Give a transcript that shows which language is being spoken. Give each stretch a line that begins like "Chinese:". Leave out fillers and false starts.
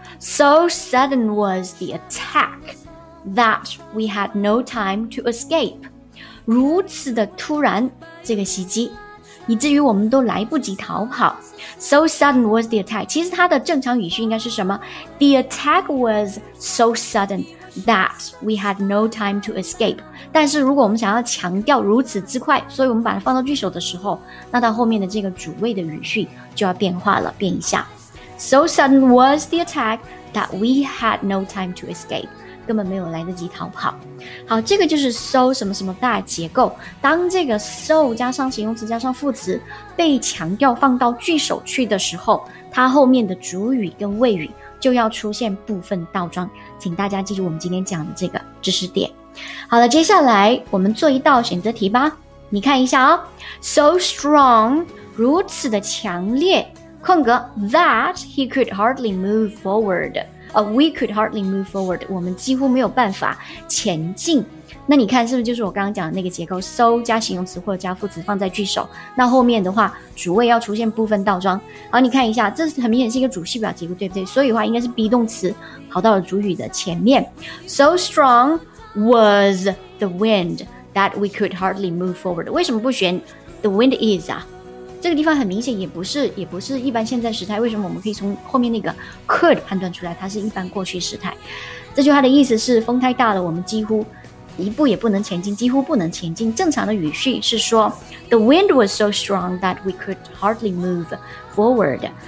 English: So sudden was the attack that we had no time to escape.
Chinese: 如此的突然这个袭击，以至于我们都来不及逃跑。
English: So sudden was the attack.
Chinese: 其实它的正常语序应该是什么？
English: The attack was so sudden. That we had no time to escape.
Chinese: 但是如果我们想要强调如此之快，所以我们把它放到句首的时候，那到后面的这个主谓的语序就要变化了，变一下。
English: So sudden was the attack that we had no time to escape.
Chinese: 根本没有来得及逃跑。好，这个就是 so 什么什么大结构。当这个 so 加上形容词加上副词被强调放到句首去的时候，它后面的主语跟谓语就要出现部分倒装，请大家记住我们今天讲的这个知识点。好了，接下来我们做一道选择题吧，你看一下哦。
English: So strong,
Chinese: 如此的强烈，空格
English: that he could hardly move forward, we could hardly move forward,
Chinese: 我们几乎没有办法前进。那你看是不是就是我刚刚讲的那个结构， so 加形容词或者加副词放在句首，那后面的话主谓要出现部分倒装。好，你看一下，这很明显是一个主系表结构，对不对？所以的话应该是 be 动词跑到了主语的前面。
English: So strong was the wind that we could hardly move forward.
Chinese: 为什么不选
English: the wind is
Chinese: 啊？这个地方很明显也不是一般现在时态，为什么我们可以从后面那个 could 判断出来它是一般过去时态？这句话的意思是风太大了，我们几乎一步也不能前进，几乎不能前进。正常的语序是说
English: The wind was so strong that we could hardly move forward.